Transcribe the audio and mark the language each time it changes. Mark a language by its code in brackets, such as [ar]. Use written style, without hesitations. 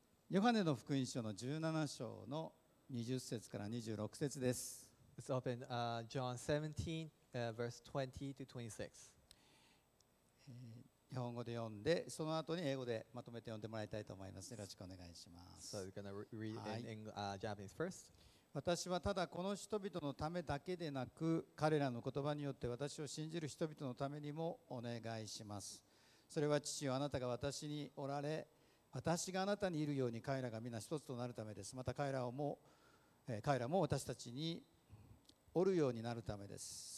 [ja] 17章の20節から26節です。 [en] Let's open John 17, verse 20 to 26. [ja] 日本語で読んで、その後に英語でまとめて読んでもらいたいと思います。よろしくお願いします。 [en] So we're gonna read in English, Japanese first. [ja] 私はただこの人々のためだけでなく、彼らの言葉によって私を信じる人々のためにもお願いします。それは父よ、あなたが私におられ、私があなたにいるように彼らがみんな一つとなるためです。また彼らも私たちにおるようになるためです。